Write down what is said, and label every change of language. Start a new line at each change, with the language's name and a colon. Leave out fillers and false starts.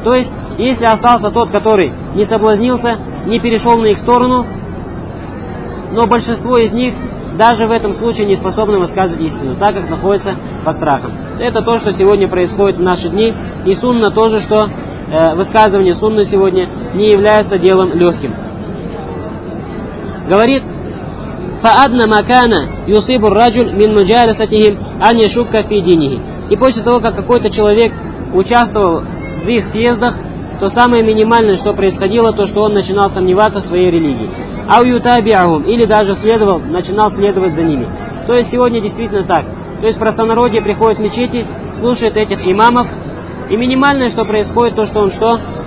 Russian: То есть, если остался тот, который не соблазнился, не перешел на их сторону, но большинство из них даже в этом случае не способны высказывать истину, так как находятся под страхом. Это то, что сегодня происходит в наши дни, и сунна тоже, что высказывание сунны сегодня не является делом легким. Говорит,
Arabic: فَأَدْنَ مَكَانَ يُصِيبُ الرَّجُلُ مِنْ مُجَالِسَتِهِمْ أَنْ يَشُكَّ فِي دِينِهِ.
Russian: И после того, как какой-то человек участвовал в их съездах, то самое минимальное, что происходило, то, что он начинал сомневаться в своей религии.
Arabic: أَوْ يُتَابِعُهُمْ.
Russian: Или даже следовал, начинал следовать за ними. То есть сегодня действительно так. То есть простонародье приходит в мечети, слушает этих имамов, и минимальное, что происходит, то, что он что?